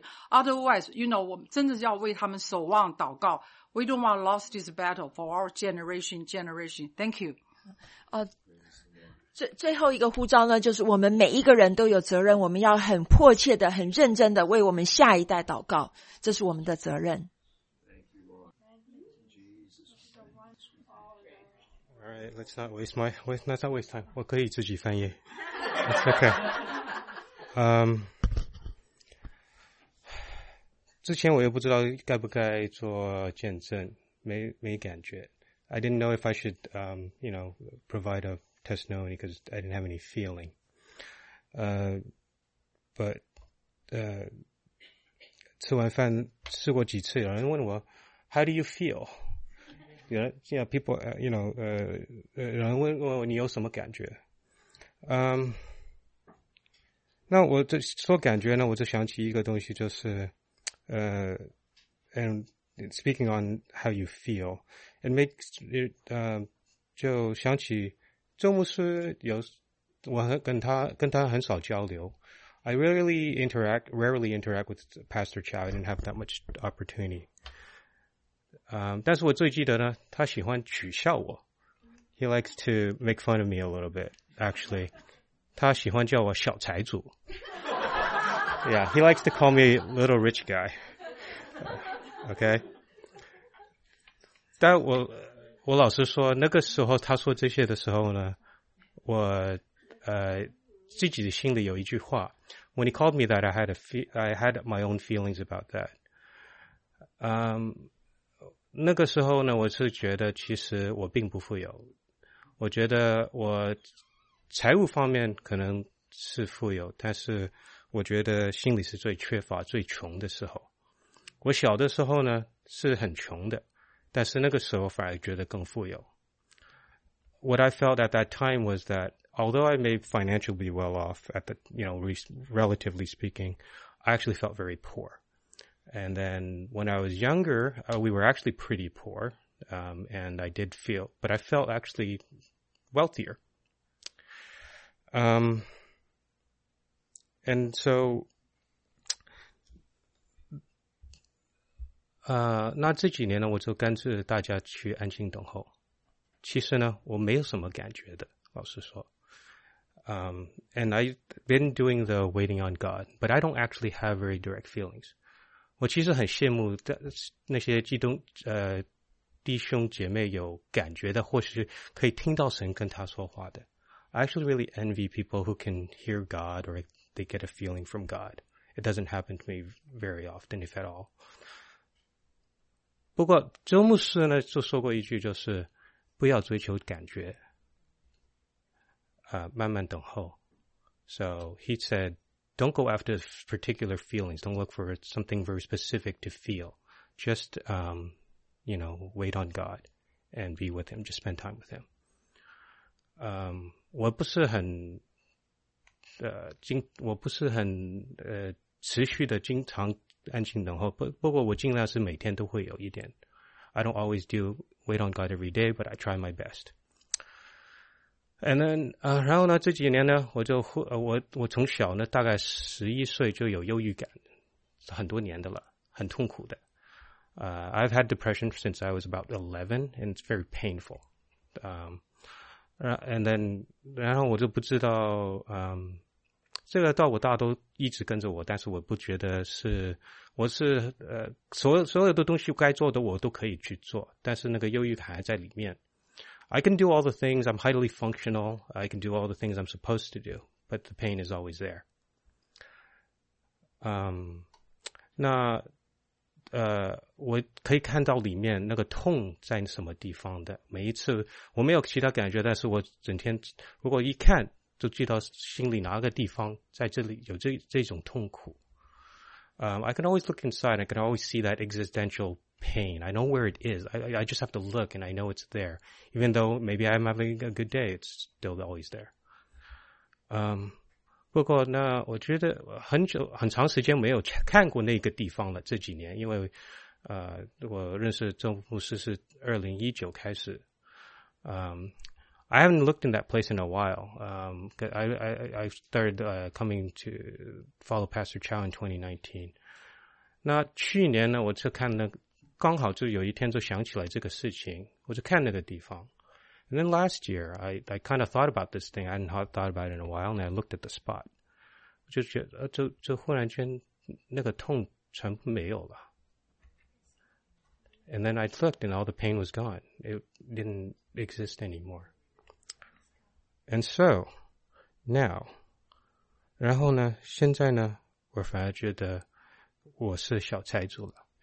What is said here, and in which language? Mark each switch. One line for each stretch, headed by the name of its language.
English: Otherwise, you know,
Chinese: 我们真的要为他们守望祷告。
English: We don't want to lose this battle for our generation. Thank you.
Chinese: 最后一个呼召呢，就是我们每一个人都有责任，我们要很迫切的、很认真的为我们下一代祷告，这是我们的责任。
English: All right, let's not waste time.
Chinese: 我可以自己翻译。
English: It's okay.
Chinese: 之前我也不知道该不该做见证，没感觉。
English: I didn't know if I should, you know, provide a testimony because I didn't have any feeling. But,
Chinese: 吃完饭试过几次，有人问我 ，
English: How do you feel? Yeah, people, you know,
Chinese: 有人问我你有什么感觉？那我这说感觉呢，我就想起一个东西，就是。
English: And speaking on how you feel, it makes it,
Chinese: 就想起周牧师有我跟他很少交流。
English: I rarely interact with Pastor Chow. I didn't have that much opportunity.
Chinese: 但是我最记得呢，他喜欢取笑我。
English: He likes to make fun of me a little bit, actually.
Chinese: 他喜欢叫我小财主。
English: Yeah, he likes to call me little rich guy. Okay.
Chinese: 但我老实说，那个时候他说这些的时候呢，我自己的心里有一句话。
English: When he called me that, I had my own feelings about that.
Chinese: 那个时候呢，我是觉得其实我并不富有。我觉得我财务方面可能是富有，但是我觉得心里是最缺乏、最穷的时候。我小的时候呢是很穷的，但是那个时候反而觉得更富有。
English: What I felt at that time was that although I may financially be well off at the, you know, relatively speaking, I actually felt very poor. And then when I was younger, we were actually pretty poor, and I did feel, but I felt actually wealthier. And so,
Chinese: 那这几年呢，我就跟着大家去安静等候。其实呢，我没有什么感觉的，老实说。
English: And I've been doing the waiting on God, but I don't actually have very direct feelings.
Chinese: 我其实很羡慕那些弟兄姐妹有感觉的，或是可以听到神跟他说话的。
English: I actually really envy people who can hear God or they get a feeling from God. It doesn't happen to me very often, if at all.
Chinese: 不过周牧师呢就说过一句，就是不要追求感觉，慢慢等候。
English: So he said, don't go after particular feelings. Don't look for something very specific to feel. Just, you know, wait on God and be with him. Just spend time with him.
Chinese: 我不是很我不是很持续的经常安静等候，不过我尽量是每天都会有一点。
English: I don't always do wait on God every day, but I try my best. And then,
Chinese: 然后呢，这几年呢，我从小呢，大概11岁就有忧郁感，很多年的了，很痛苦的。
English: I've had depression since I was about 11, and it's very painful.
Chinese: 然后我就不知道，这个道我大都一直跟着我，但是我不觉得是，我是所有的东西该做的我都可以去做，但是那个忧郁感还在里面。
English: I can do all the things, I'm highly functional, I can do all the things I'm supposed to do, but the pain is always there.
Chinese: 我可以看到里面那个痛在什么地方的，每一次我没有其他感觉，但是我整天如果一看就记到心里哪个地方在这里有这种痛苦。
English: I can always look inside, I can always see that existential pain. I know where it is. I just have to look and I know it's there. Even though maybe I'm having a good day, it's still always there.
Chinese: 不过呢，我觉得很久很长时间没有看过那个地方了，这几年，因为我认识周牧师是2019开始。
English: I haven't looked in that place in a while. I started coming to follow Pastor Chow in 2019.
Chinese: 那去年呢，我就看那个，刚好就有一天就想起来这个事情，我就看那个地方。
English: And then last year, I kind of thought about this thing. I hadn't thought about it in a while, and I looked at the spot.
Chinese: 就忽然间那个痛全部没有了。
English: And then I looked, and all the pain was gone. It didn't exist anymore. And so, now,
Chinese: 然后呢，现在呢，我反而觉得我是小财主了。